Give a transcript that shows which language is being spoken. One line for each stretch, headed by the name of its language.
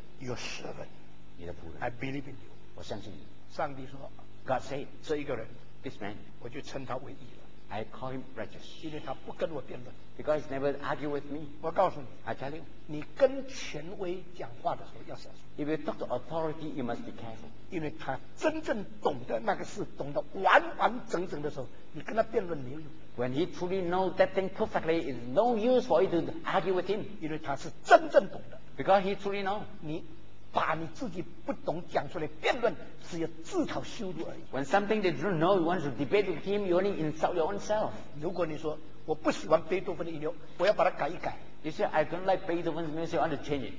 English: Your servant.
Chinese: 你的仆人
English: I believe in you
Chinese: 我相信你上帝说
English: God said
Chinese: 这一个人
English: This man
Chinese: 我就称他为义了
English: I call him righteous
Chinese: 因为他不跟我辩论
English: Because he never argue with me
Chinese: 我告诉你
English: I tell you
Chinese: 你跟权威讲话的时候要小心
English: If you talk to authority you must be careful
Chinese: 因为他真正懂得那个事懂得完完整整的时候你跟他辩论没有用
English: When he truly knows that thing perfectly it's no use for you to argue with him
Chinese: 因为他是真正懂的
English: Because he truly knows
Chinese: 你把你自己不懂讲出来辩论，只有自讨羞辱而已。
English: When something they don't know, you want to debate with him, you only insult your own self.
Chinese: 如果你说我不喜欢贝多芬的音乐，我要把它改一改。
English: You say I don't like Beethoven's music, I want to change it.